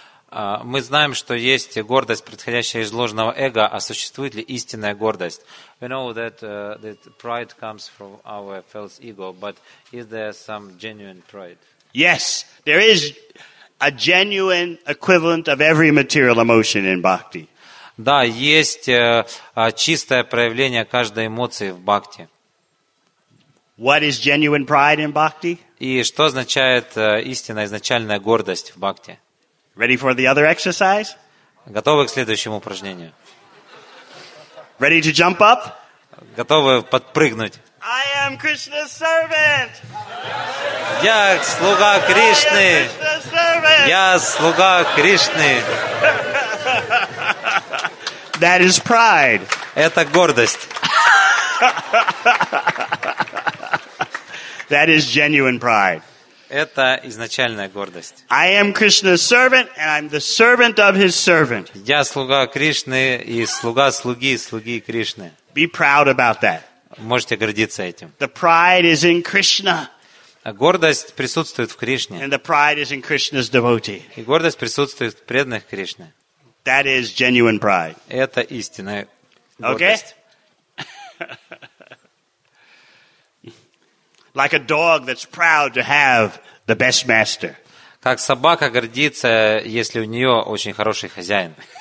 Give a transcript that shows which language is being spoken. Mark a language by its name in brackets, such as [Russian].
[Russian] Мы знаем, что есть гордость, происходящая из ложного эго, а существует ли истинная гордость? [English] We know that that pride comes from our false ego, but is there some genuine pride? Yes, there is a genuine equivalent of every material emotion in bhakti. [Russian] Да, есть чистое проявление каждой эмоции в бхакти. [English] What is genuine pride in bhakti? [Russian] И что означает истинная изначальная гордость в бхакти? [English] Ready for the other exercise? [Russian] Готовы к следующему упражнению? [English] Ready to jump up? [Russian] Готовы подпрыгнуть? [English] I am Krishna's servant. [Russian] Я слуга Кришны. [English] I am Krishna's servant. [Russian] Я слуга Кришны. [English] That is pride. [Russian] Это гордость. [English] That is genuine pride. [Russian] это изначальная гордость. [English] I am Krishna's servant, and I'm the servant of his servant. [Russian] Я слуга Кришны и слуга слуги слуги Кришны. [English] Be proud about that. [Russian] Можете гордиться этим. [English] The pride is in Krishna. [Russian] Гордость присутствует в Кришне. [English] And the pride is in Krishna's devotee. [Russian] И гордость присутствует в преданных Кришне. [English] That is genuine pride. [Russian] Это истинная гордость. [English] Like a dog that's proud to have the best master. [Russian] Как собака гордится, если у нее очень хороший хозяин.